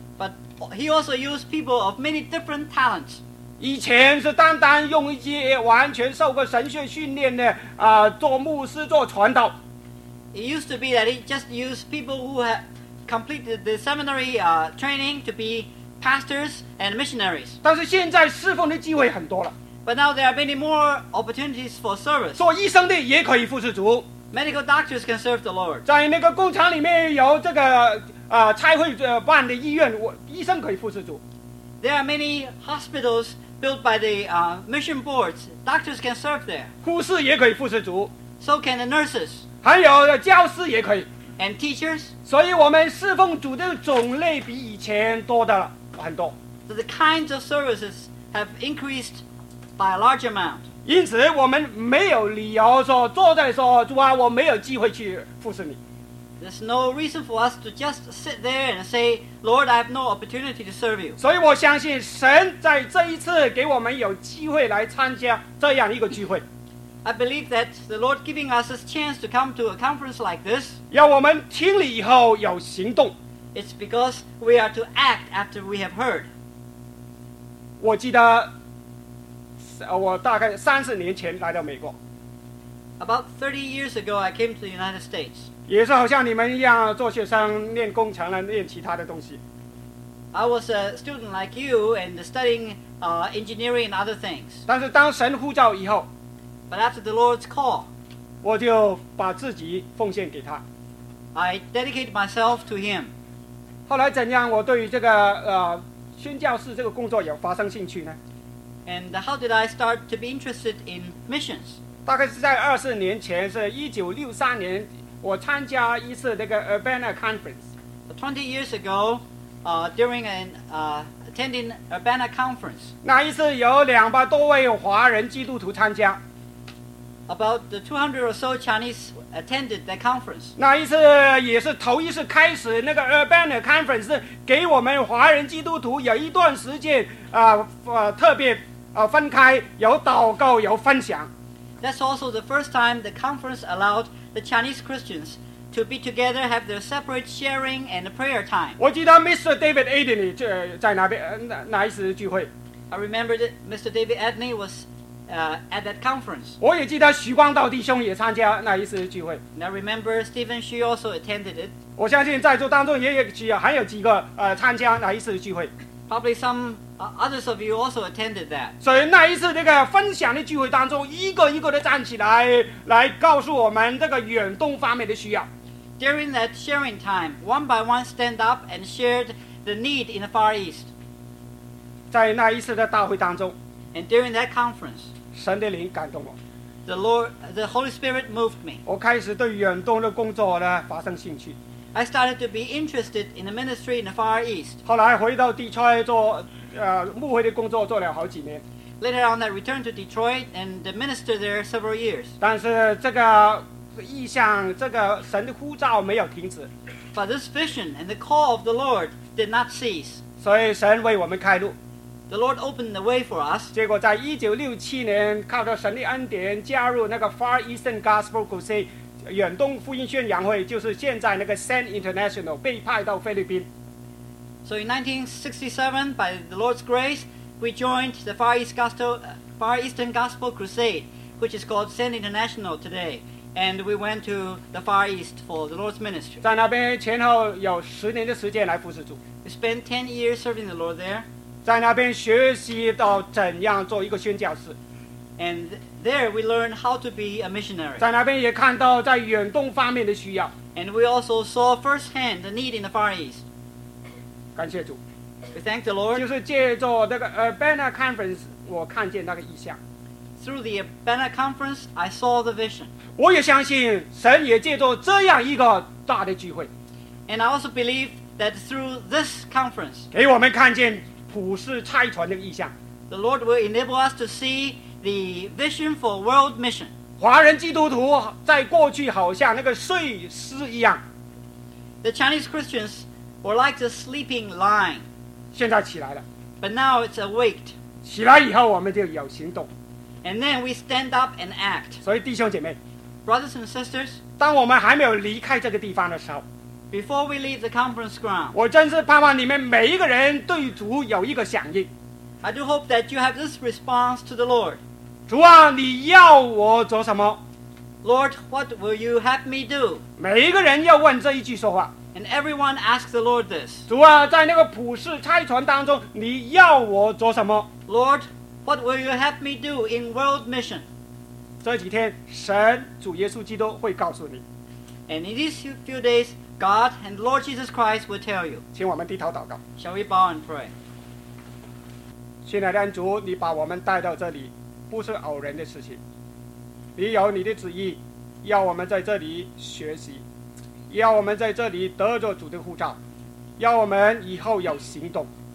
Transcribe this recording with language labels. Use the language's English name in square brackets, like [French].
[English] But he also used people of many different talents. [Chinese] 以前是单单用一些完全受过神学训练的做牧师做传道。 [English] It used to be that he just used people who had completed the seminary training to be pastors and missionaries. [Chinese] 但是现在侍奉的机会很多了。 [English] But now there are many more opportunities for service. [Chinese] 做医生的也可以服侍主。 [English] Medical doctors can serve the Lord. [Chinese] 在那个工厂里面有这个差会办的医院，医生可以服侍主。 [English] There are many hospitals built by the mission boards. Doctors can serve there. [Chinese] 护士也可以服侍主。 [English] So can the nurses. [Chinese] 还有教师也可以。 [English] And teachers. [Chinese] 所以我们侍奉主的种类比以前多的很多。 [English] So the kinds of services have increased by a large amount. [Chinese] 因此我们没有理由说坐在说主啊，我没有机会去服侍你。 [English] There's no reason for us to just sit there and say, Lord, I have no opportunity to serve you. [Chinese] 所以我相信神在这一次给我们有机会来参加这样一个聚会。 [English] I believe that the Lord giving us this chance to come to a conference like this, [Chinese] 要我们听了以后有行动。 [English] It's because we are to act after we have heard. [Chinese] 我记得我大概三十年前来到美国。 [English] About 30 years ago, I came to the United States. [Chinese] 也是好像你们一样做学生练工程了练其他的东西。 [English] I was a student like you and studying engineering and other things. [Chinese] 但是当神呼召以后， [English] But after the Lord's call, [Chinese] 我就把自己奉献给他。 [English] I dedicated myself to him. [Chinese] 后来怎样我对于这个宣教士这个工作有发生兴趣呢？ [English] And how did I start to be interested in missions? [Chinese] 大概是在20年前，是1963年。我参加一次那个 Urbana Conference. [English] 20 years ago, during an attending Urbana Conference. [Chinese] 那一次有200多位华人基督徒参加。 [English] About the 200 or so Chinese attended that conference. [Chinese] 那一次也是头一次开始那个 Urbana Conference 给我们华人基督徒有一段时间特别分开有祷告有分享。 [English] That's also the first time the conference allowed the Chinese Christians to be together, have their separate sharing and prayer time. [Chinese] 我记得 Mr. David Adney 在那边那一次聚会。 [English] I remember that Mr. David Adney was at that conference. [Chinese] 我也记得许光道弟兄也参加那一次聚会。 [English] And I remember Stephen Xu also attended it. [Chinese] 我相信在座当中也有还有几个参加那一次聚会。 [English] Probably some others of you also attended that. [Chinese] 所以那一次这个分享的聚会当中，一个一个的站起来告诉我们这个远东方面的需要。 [English] During that sharing time, one by one stand up and shared the need in the Far East. [Chinese] 在那一次的大会当中， [English] and during that conference, [Chinese] 神的灵感动我。 [English] The Holy Spirit moved me. [Chinese] 我开始对远东的工作呢发生兴趣。 [English] I started to be interested in the ministry in the Far East. [Chinese] 后来回到 Detroit 做牧会的工作做了好几年。 [English] Later on, I returned to Detroit and ministered there several years. [Chinese] 但是这个意向，这个神的呼召没有停止。 [English] But this vision and the call of the Lord did not cease. [Chinese] 所以神为我们开路。 [English] The Lord opened the way for us. [Chinese] 结果在1967年，靠着神的恩典，加入那个 Far Eastern Gospel Crusade。远东福音宣扬会就是现在那个 San International 被派到菲律宾。 [English] So in 1967, by the Lord's grace, we joined the Far Eastern Gospel Crusade, which is called Send International today. And we went to the Far East for the Lord's ministry. [Chinese] 在那边前后有十年的时间来服侍主。 [English] We spent 10 years serving the Lord there. [Chinese] 在那边学习到怎样做一个宣教士。 [English] And there we learned how to be a missionary. [Chinese] 在那边也看到在远东方面的需要。 [English] And we also saw firsthand the need in the Far East. [Chinese] 感谢主。 [English] We thank the Lord. [Chinese] 就是借助那个 Urbana Conference, 我看见那个意象。 [English] Through the Urbana Conference, I saw the vision. [Chinese] 我也相信神也借助这样一个大的聚会。 [English] And I also believe that through this conference, [Chinese] 给我们看见普世差传的意象。 [English] The Lord will enable us to see the vision for world mission. [Chinese] 华人基督徒在过去好像那个睡狮一样。 [English] The Chinese Christians were like the sleeping lion. [Chinese] 现在起来了。 [English] But now it's awaked. [Chinese] 起来以后我们就有行动。 [English] And then we stand up and act. [Chinese] 所以弟兄姐妹， [English] brothers and sisters, [Chinese] 当我们还没有离开这个地方的时候， [English] before we leave the conference ground, [Chinese] 我真是盼望你们每一个人对主有一个响应。 [English] I do hope that you have this response to the Lord. [Chinese] 主啊，你要我做什么？ [English] Lord, what will you have me do? [Chinese] 每一个人要问这一句说话。 [English] And everyone asks the Lord this. [Chinese] 主啊，在那个普世差传当中，你要我做什么？ [English] Lord,What will you have me do in world mission? [Chinese] 这几天，神主耶稣基督会告诉你。 [English] And in these few days, God and Lord Jesus Christ will tell you. [Chinese] 请我们低头祷告。 [English] Shall we bow and pray? [Chinese] 亲爱的主，你把我们带到这里，不是偶然的事情。你有你的旨意，要我们在这里学习，要我们在这里得着主的护照，要我们以后有行动。